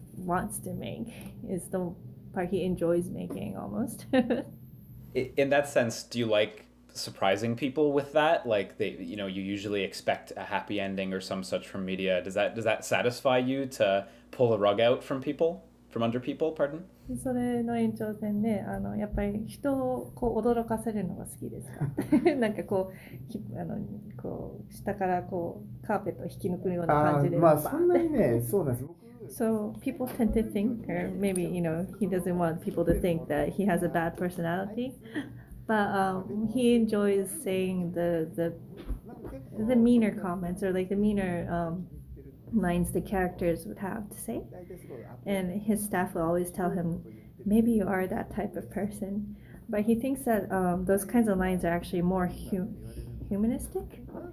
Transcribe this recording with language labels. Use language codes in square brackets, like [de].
[en] wants to make. It's the part he enjoys making almost. In that sense, do you like surprising people with that? Like, they, you know, you usually expect a happy ending or some such from media. Does that satisfy you to pull the rug out from people? From under people, pardon? [ja] それの延長線で、あのやっぱり人をこう驚かせるのが好きですか。なんかこう、あのこう下からこうカーペットを引き抜くような感じで。あ、まあそんなにね、そうなんです。 [en] So people tend to think, or maybe you know, he doesn't want people to think that he has a bad personality, but he enjoys saying the meaner comments or like the meaner lines the characters would have to say, and his staff will always tell him, maybe you are that type of person, but he thinks that those kinds of lines are actually more humanistic.